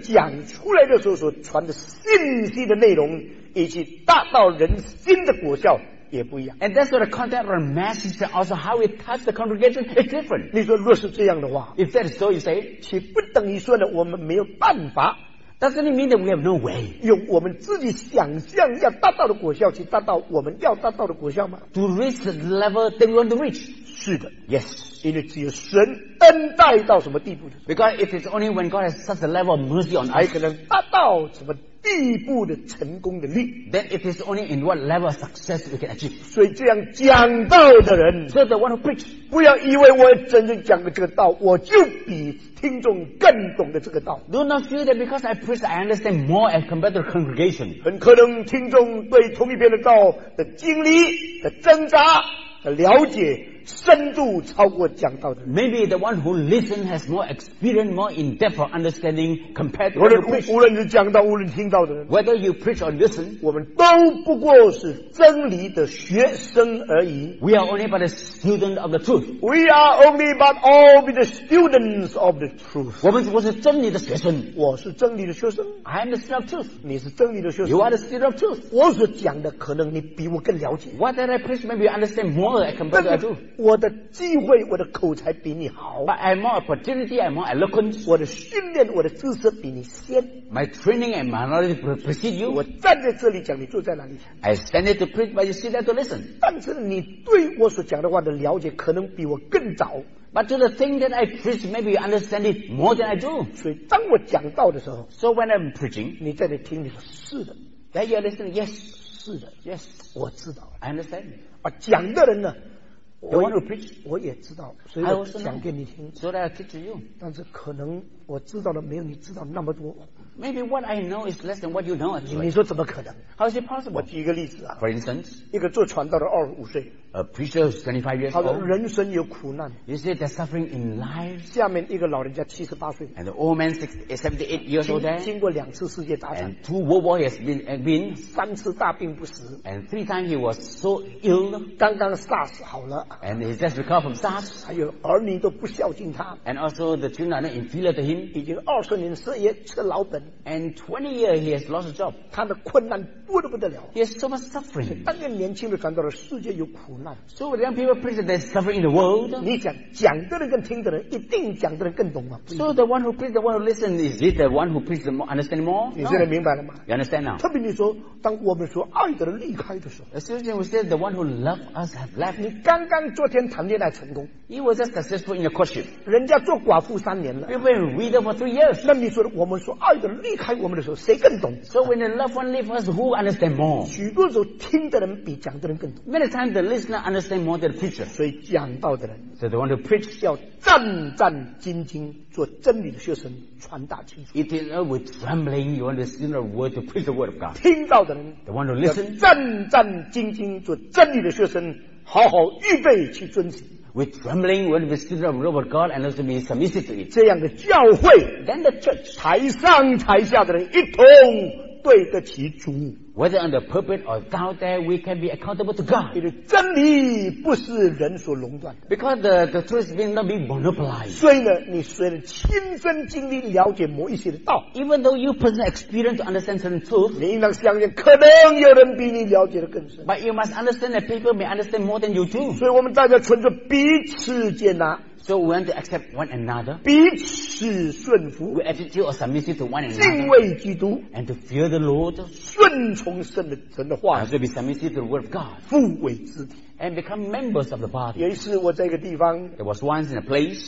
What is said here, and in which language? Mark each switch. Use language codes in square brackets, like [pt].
[zh] 讲出来的时候所传的信息的内容以及达到人心的果效也不一样 [en] and that's what the content of our message also how it touched the congregation is different [zh] 你说若是这样的话 [en] if that is so you say [zh] 岂不等于说呢我们没有办法 [en] doesn't it mean that we have no way [zh] 用我们自己想象要达到的果效去达到我们要达到的果效吗 [en] to reach the level that we want to reach [zh] 是的 [en] yes [zh] 因为只有神恩待到什么地步 [en] because it is only when God has such a level of mercy on us [zh] 才可能达到什么地步的成功的力 [en] then it is only in what level of success we can achieve [zh] 所以这样讲道的人 [en] so the one who preach [zh] 不要以为我真正讲的这个道我就比听众更懂的这个道 [en] do not feel that because I preach I understand more as compared to the congregation [zh] 很可能听众对同一边的道的经历的挣扎的了解深度超过讲道的人 [en] Maybe the one who listens has more experience more in depth of understanding compared to the preacher [zh] 无论是讲道无论听到的人 [en] Whether you preach or listen [zh] 我们都不过是真理的学生而已 [en] We are only but a student of the truth We are only but all be the students of the truth [zh] 我们只不过是真理的学生我是真理的学生 [en] I am the student of truth [zh] 你是真理的学生 [en] You are the student of truth [zh] 我所讲的可能你比我更了解 [en] What that I preach maybe you understand more as compared to the truth [zh] 我的机会我的口才比你好 [en] But I have more opportunity I have more eloquence [zh] 我的训练我的知识比你先 [en] My training and my knowledge precede you [zh] 我站在这里讲你坐在哪里 [en] I stand here to preach but you sit there to listen [zh] 但是你对我所讲的话的了解可能比我更早 [en] But to the thing that I preach maybe you understand it more than I do [zh] 所以当我讲到的时候 [en] So when I'm preaching [zh] 你在那听你说是的 [en] Then you're listening Yes [zh] 是的 [en] Yes [zh] 我知道 [en] I understand [zh] 而讲的人呢 [en] The one who preach, [zh] 我也知道，所以我讲给你听。 [en] So that I teach you. [zh] 但是可能我知道的没有你知道那么多。 [en] Maybe what I know is less than what you know. [zh] 你说怎么可能 [en] ？How is it possible? [zh] 我举一个例子啊。 [en] For instance, [zh] 一个做传道的25岁。 [en] A preacher who's 25 years old. [zh] 他说人生有苦难。 [en] You see, they're suffering in life. [zh] 下面一个老人家78岁。 [en] And the old man 78 years old. [zh] 经过两次世界大战。 [en] And 2 World Wars he has been. [zh] 3次大病不死。 [en] And 3 times he was so ill. [zh] 刚刚 SARS 好了。 [en] And he just recovered from SARS. [zh] 还有儿女都不孝敬他。 [en] And also the children are not inferior to him. [zh] 已经20年事业吃老本。人。 [en] And 20 years he has lost a job. [zh] 他的困难多得不得了。 [en] He has so much suffering. [zh] 当年年轻的传道人，世界有苦难。 [en] So the young people preach that there's suffering in the world. [zh] 你讲讲的人跟听的人，一定讲的人更懂吗 [en] ？So the one who preach, the one who listen, is it the one who preach the more, understand more? [zh] 你现在明白了吗 [en] ？You understand now? [zh] 特别你说，当我们说爱的人离开的时候 [en] ，As soon as we said the one who love us have left. [zh] 你刚刚昨天谈恋爱成功 [en] ，He was just successful in your courtship. [zh] 人家做寡妇三年了。 [en] We've been widow for 3 years. [zh] 那你说我们说爱的人离开我们的时候，谁更懂 [en] ？So when the loved one leaves us, who understand more? [zh] 许多时候听的人比讲的人更懂。 [en] Many times the listener understand more than the preacher. [zh] 所以讲道的人 [en] ，So the one who preach [zh] 要战战兢兢做真理的学生，传达清楚。 [en] It is with trembling you understand the word to preach the word of God. [zh] 听到的人 [en] ，The one who listen [zh] 要战战兢兢做真理的学生，好好预备去遵行。 [en] With trembling when we stood up before God and also be submissive to it. [zh] 这样的教会 [en] then the church [zh] 台上台下的人一同对得起主 [en] Whether on the pulpit or down there, we can be accountable to God. [zh] 因为真理不是人所垄断的 [en] Because the truth will not be monopolized. [zh] 所以呢，你虽然亲身经历了解某一些的道 [en] Even though you possess experience to understand certain truth, [zh] 你应当相信可能有人比你了解的更深 [en] But you must understand that people may understand more than you do. [zh] 所以我们大家存着彼此接纳 [en] So we want to accept one another. [zh] 彼此顺服 [en] We attitude or submissive to one another. [zh] 敬畏基督 [en] And to fear the Lord. [zh] 顺从神的话 [en] And to be submissive to the word of God. [zh] 互为肢体 [en] And become members of the body. [zh] 有一次我在一个地方 [en] There was once in a place.